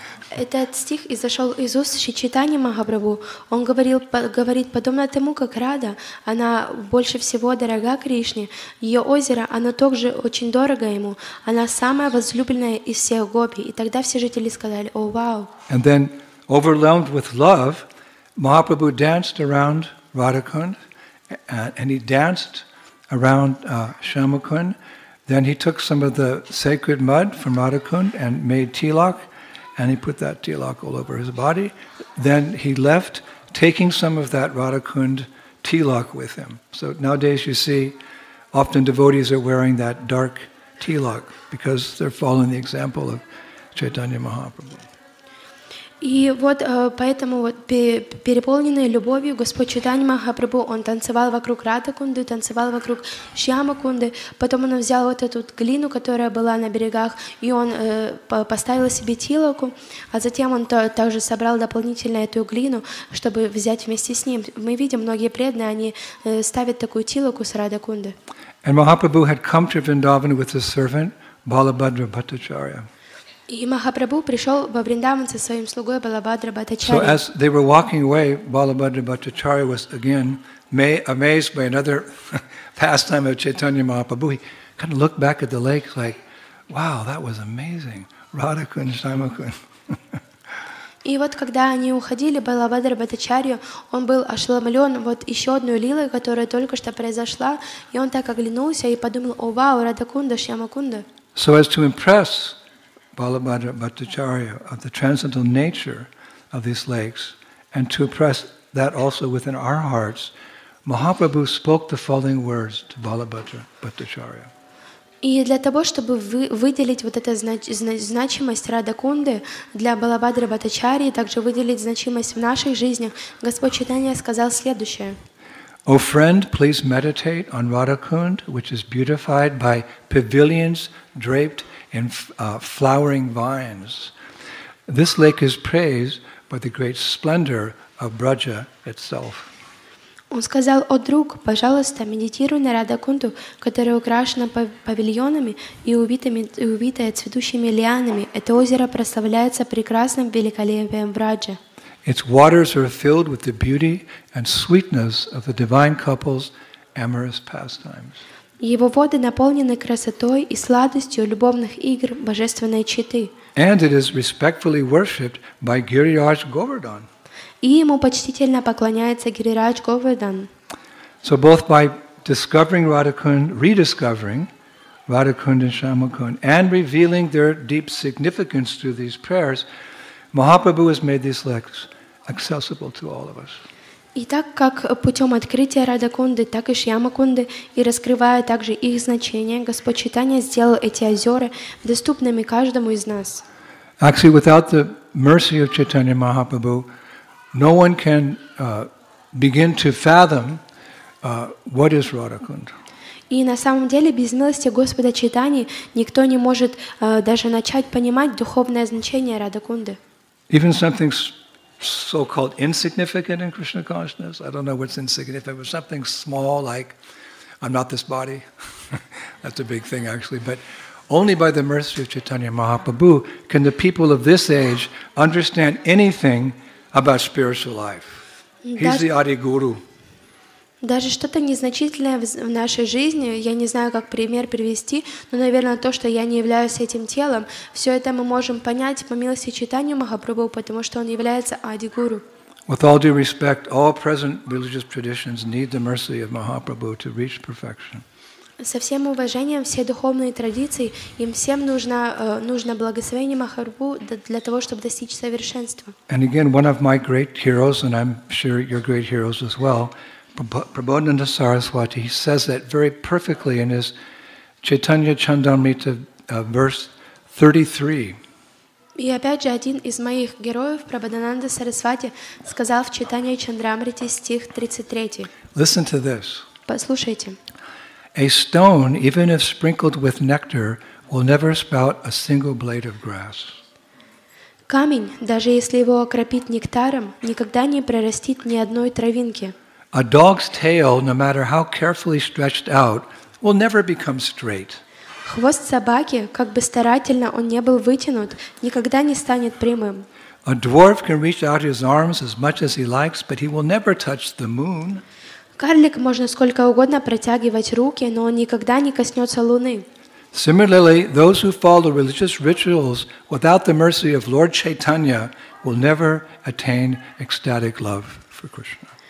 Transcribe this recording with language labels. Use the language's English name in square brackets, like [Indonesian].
[Russian] Этот стих изошел из уст Шри Чайтаньи Махапрабху. Он говорит подобно тому, как Рада, она больше всего дорога Кришне. Ее озеро, оно также очень дорого ему. Она самая возлюбленная из всех гопи. И тогда все жители сказали, о, вау. [English] And then, overwhelmed with love, Mahaprabhu danced around Radhakund, and he danced around Shyamakund. Then he took some of the sacred mud from Radhakund and made tilak. And he put that tilak all over his body. Then he left, taking some of that Radhakund tilak with him. So nowadays you see, often devotees are wearing that dark tilak because they're following the example of Chaitanya Mahaprabhu. [Russian] И вот поэтому вот переполненный любовью Господь Чайтанья Махапрабху, он танцевал вокруг Радхакунды, танцевал вокруг Шьямакунды. Потом он взял вот эту глину, которая была на берегах, и он поставил себе тилаку, а затем он также собрал дополнительно эту глину, чтобы взять вместе с ним. Мы видим, многие преданные, они ставят такую тилаку с Радхакунды. [English] And Mahaprabhu had come to Vrindavan with his servant Balabhadra Bhattacharya. [Russian] И Махапрабху пришел во Вриндаван со своим слугой Балабхадра Бхаттачарья. [English] So as they were walking away, Балабхадра Бхаттачарья was again amazed by another pastime of Chaitanya Mahaprabhu. He kind of looked back at the lake like, wow, that was amazing. Radhakund, Shyamakund. [Russian] И вот когда они уходили, Балабхадра Бхаттачарья, он был ошеломлен вот еще одной лилой, которая только что произошла, и он так оглянулся и подумал, о, вау, Радхакунда, Шьямакунда. [English] So as to impress Balabhadra Bhattacharya of the transcendental nature of these lakes, and to impress that also within our hearts, Mahaprabhu spoke the following words to Balabhadra Bhattacharya. [Russian] И для того, чтобы выделить вот эту значимость Радхакунды для Балабхадра Бхаттачарьи, также выделить значимость в наших жизнях, Господь Чайтанья сказал следующее. [English] O friend, please meditate on Radhakund, which is beautified by pavilions draped in flowering vines. This lake is praised by the great splendor of Braja itself. [Russian] Он сказал, о друг, пожалуйста, медитируй на Радхакунду, которая украшена павильонами и увитая цветущими лианами. Это озеро прославляется прекрасным великолепием Браджа. [English] Its waters are filled with the beauty and sweetness of the divine couple's amorous pastimes. [Russian] Его воды наполнены красотой и сладостью любовных игр божественной четы. [English] And it is respectfully worshipped by Giriraj Govardhan. [Russian] И ему почтительно поклоняется Гирирадж Говардан. [English] So both by discovering Radhakund, rediscovering Radhakund and Shyamakund, and revealing their deep significance through these prayers, Mahaprabhu has made these lakes accessible to all of us. [Russian] И так как путем открытия Радхакунды, так и Шьямакунды, и раскрывая также их значение, Господь Чайтанья сделал эти озера доступными каждому из нас. [English] Actually, without the mercy of Chaitanya Mahaprabhu, no one can begin to fathom what is Radhakunda. [Russian] И на самом деле, без милости Господа Чайтаньи, никто не может даже начать понимать духовное значение Радхакунды. [English] Even something so-called insignificant in Krishna consciousness. I don't know what's insignificant, but something small like, I'm not this body. That's a big thing, actually. But only by the mercy of Chaitanya Mahaprabhu can the people of this age understand anything about spiritual life. He's the Adi Guru. [Russian] Даже что-то незначительное в нашей жизни, я не знаю, как пример привести, но, наверное, то, что я не являюсь этим телом, все это мы можем понять по милости Чайтанья Махапрабху, потому что он является Адигуру. [English] With all due respect, all present religious traditions need the mercy of Mahaprabhu to reach perfection. [Russian] Со всем уважением, все духовные традиции, им всем нужно благословение Махапрабху для того, чтобы достичь совершенства. [English] And again, one of my great heroes, and I'm sure you're great heroes as well, Prabodhananda Saraswati, he says that very perfectly in his Chaitanya Chandamrita verse 33. [Russian] И опять же, один из моих героев, Прабодхананда Сарасвати, сказал в Чайтанья Чандрамрите стих 33. [English] Listen to this. [Russian] Послушайте. [English] A stone, even if sprinkled with nectar, will never sprout a single blade of grass. [Russian] Камень, даже если его окропить нектаром, никогда не прорастит ни одной травинки. [English] A dog's tail, no matter how carefully stretched out, will never become straight. [Russian] Хвост собаки, как бы старательно он не был вытянут, никогда не станет прямым. [English] A dwarf can reach out his arms as much as he likes, but he will never touch the moon. [Russian] Карлик можно сколько угодно протягивать руки, но он никогда не коснется луны. [English] Similarly, those who follow religious rituals without the mercy of Lord Chaitanya will never attain ecstatic love for Krishna.